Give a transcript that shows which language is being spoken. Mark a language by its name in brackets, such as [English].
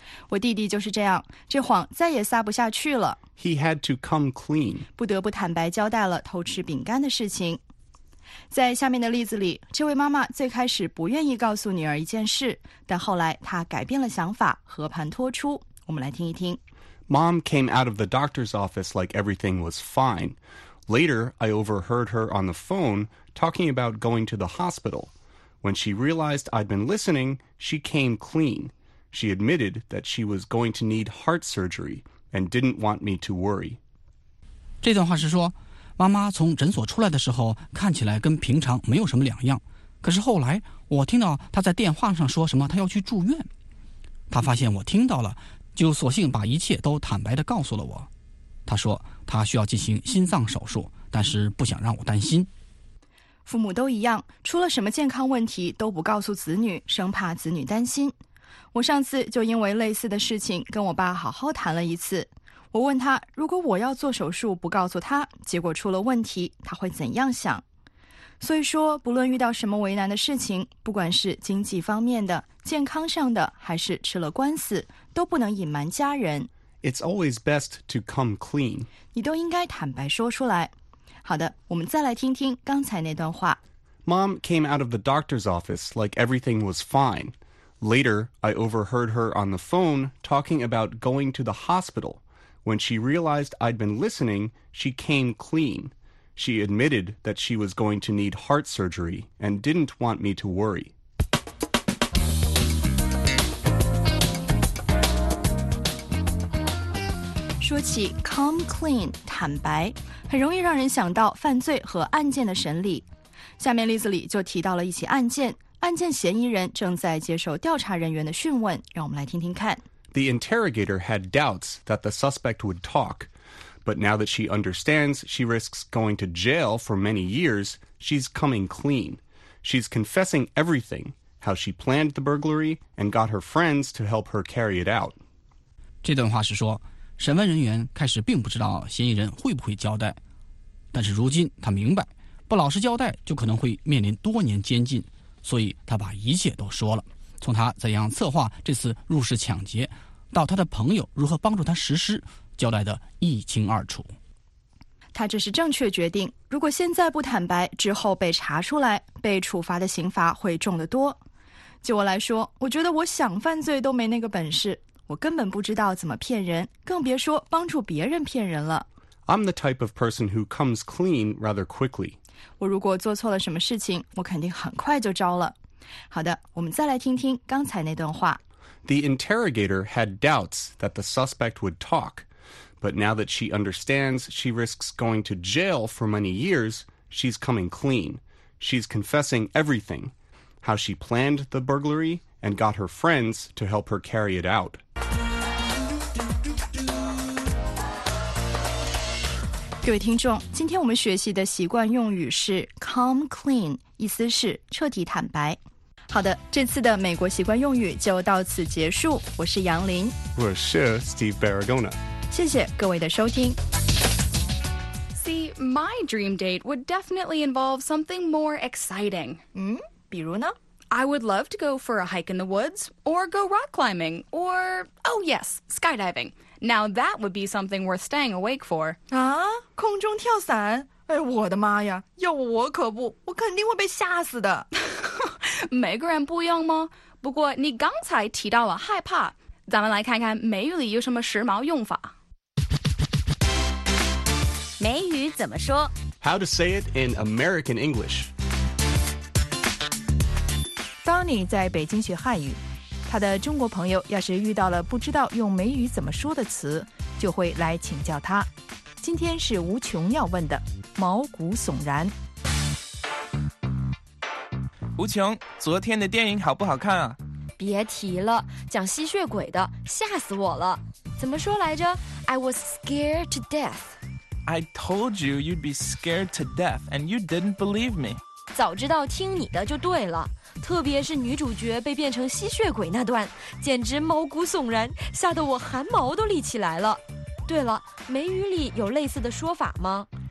[Chinese] 我弟弟就是这样，这谎再也撒不下去了。 [English] He had to come clean. [Chinese] 不得不坦白交代了偷吃饼干的事情。在下面的例子里，这位妈妈最开始不愿意告诉女儿一件事，但后来她改变了想法，和盘托出。我们来听一听。 [English] Mom came out of the doctor's office like everything was fine. Later, I overheard her on the phone talking about going to the hospital. When she realized I'd been listening, she came clean. She admitted that she was going to need heart surgery and didn't want me to worry. [Chinese] 这段话是说，妈妈从诊所出来的时候看起来跟平常没有什么两样，可是后来我听到她在电话上说什么她要去住院，她发现我听到了，就索性把一切都坦白地告诉了我。她说她需要进行心脏手术，但是不想让我担心。父母都一样，出了什么健康问题都不告诉子女，生怕子女担心。我上次就因为类似的事情跟我爸好好谈了一次。我问他，如果我要做手术不告诉他，结果出了问题，他会怎样想？所以说，不论遇到什么为难的事情，不管是经济方面的、健康上的，还是吃了官司，都不能隐瞒家人。 [English] It's always best to come clean. [Chinese] 你都应该坦白说出来。好的，我们再来听听刚才那段话。 [English] Mom came out of the doctor's office like everything was fine. Later, I overheard her on the phone talking about going to the hospital. When she realized I'd been listening, she came clean. She admitted that she was going to need heart surgery and didn't want me to worry. [Chinese] 说起 come clean 坦白，很容易让人想到犯罪和案件的审理。下面例子里就提到了一起案件，案件嫌疑人正在接受调查人员的讯问，让我们来听听看。 [English] The interrogator had doubts that the suspect would talk, but now that she understands she risks going to jail for many years, she's coming clean. She's confessing everything, how she planned the burglary and got her friends to help her carry it out. [Chinese] 这段话是说审问人员开始并不知道嫌疑人会不会交代，但是如今他明白，不老实交代就可能会面临多年监禁，所以他把一切都说了，从他怎样策划这次入室抢劫，到他的朋友如何帮助他实施，交代得一清二楚。他这是正确决定，如果现在不坦白，之后被查出来，被处罚的刑罚会重得多。就我来说，我觉得我想犯罪都没那个本事，我根本不知道怎么骗人，更别说帮助别人骗人了。 [English] I'm the type of person who comes clean rather quickly. [Chinese] 我如果做错了什么事情，我肯定很快就招了。好的，我们再来听听刚才那段话。 [English] The interrogator had doubts that the suspect would talk, but now that she understands she risks going to jail for many years, she's coming clean. She's confessing everything, how she planned the burglary and got her friends to help her carry it out. [Chinese] 各位听众，今天我们学习的习惯用语是 come clean， 意思是彻底坦白。好的，这次的美国习惯用语就到此结束。我是杨林，我是 Steve Barragona。谢谢各位的收听。 [English] See, my dream date would definitely involve something more exciting. [Chinese] 比如呢？ [English] I would love to go for a hike in the woods, or go rock climbing, or, oh yes, skydiving. Now that would be something worth staying awake for. [Chinese] 啊，空中跳伞？哎，我的妈呀，要我可不，我肯定会被吓死的。每个人不一样吗？不过你刚才提到了害怕，咱们来看看美语里有什么时髦用法。美语怎么说？ [English] How to say it in American English. [Chinese] Donnie 在北京学汉语，他的中国朋友要是遇到了不知道用美语怎么说的词，就会来请教他。今天是无穷要问的，毛骨悚然。无穷，昨天的电影好不好看啊？别提了，讲吸血鬼的，吓死我了。怎么说来着？ [English] I was scared to death. I told you you'd be scared to death and you didn't believe me. [Chinese] 早知道听你的就对了。特别是女主角被变成吸血鬼那段，简直毛骨悚然，吓得我汗毛都立起来了。对了，美语里有类似的说法吗？